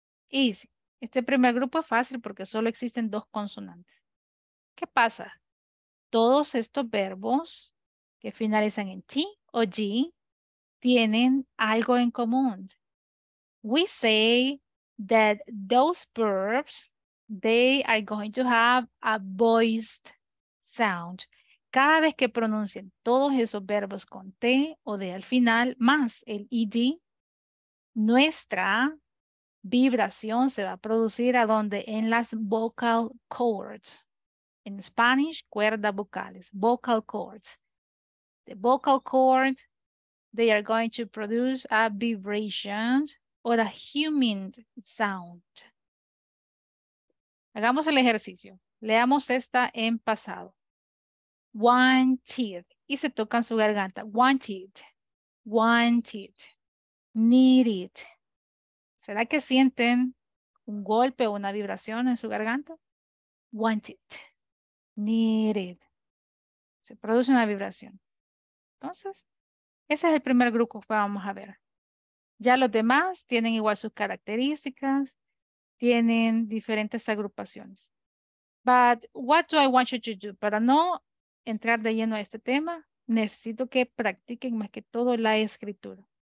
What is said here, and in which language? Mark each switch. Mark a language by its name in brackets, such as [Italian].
[English] Easy. [Spanish] Este primer grupo es fácil porque solo existen dos consonantes. ¿Qué pasa? Todos estos verbos que finalizan en T o G tienen algo en común. [English] We say that those verbs, they are going to have a voiced sound. [Spanish] Cada vez que pronuncien todos esos verbos con T o D al final, más el ED, nuestra vibración se va a producir ¿a dónde? En las vocal cords. En Spanish, cuerdas vocales, vocal cords. [English] The vocal cord, they are going to produce a vibration or a humming sound. [Spanish] Hagamos el ejercicio. Leamos esta en pasado. Wanted. Y se tocan su garganta. [English] Wanted. Wanted. Needed. [Spanish] ¿Será que sienten un golpe o una vibración en su garganta? [English] Wanted. Needed. [Spanish] Se produce una vibración. Entonces, ese es el primer grupo que vamos a ver. Ya los demás tienen igual sus características. Tienen diferentes agrupaciones. [English] But what do I want you to do? [Spanish] Para no entrar de lleno a este tema, necesito que practiquen más que todo la escritura.